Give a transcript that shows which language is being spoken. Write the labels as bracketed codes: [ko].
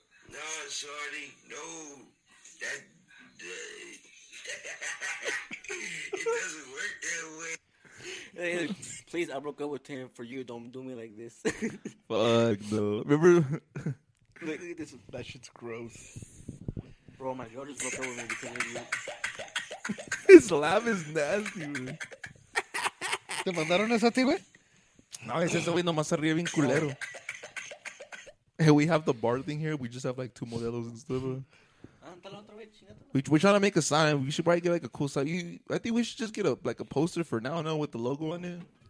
[en] No, sorry. No. That it doesn't work that way. Hey, please, I broke up with him for you. Don't do me like this. Fuck, no. Remember? Look at this. That shit's gross. Bro, my girl just broke up with me because of you. His laugh is nasty, man. [es] ¿Te mandaron eso a ti, güey? No, es ese güey nomás se ríe bien culero. [en] Hey, we have the bar thing here. We just have like two modelos and stuff. We're trying to make a sign. We should probably get like a cool sign. I think we should just get a poster for now, no, with the logo on it.